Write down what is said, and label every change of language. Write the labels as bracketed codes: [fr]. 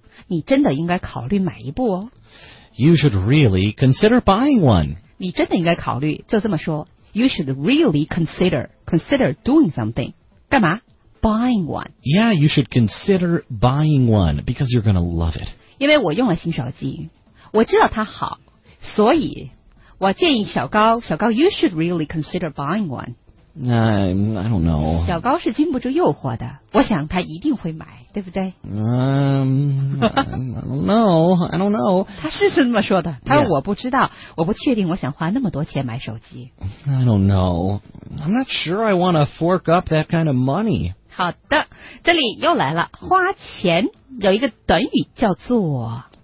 [zh] 你真的应该考虑买一部哦。 [en] You should really consider buying one. [zh] 你真的应该考虑，就这么说。 [en] You should really consider doing something. [zh] 干嘛？ [en] Buying one. Yeah, you should consider buying one because you're going to love it. [zh] 因为我用了新手机，我知道它好，所以我建议小高，小高 ， [en] You should really consider buying one. I don't know. [zh] 小高是经不住诱惑的，我想他一定会买。对不对？ [en] I don't know. [zh] 他是这么说的。他说我不知道， yeah. 我不确定，我想花那么多钱买手机。 [en] I don't know. I'm not sure I want to fork up that kind of money. [zh] 好的，这里又来了，花钱有一个短语叫做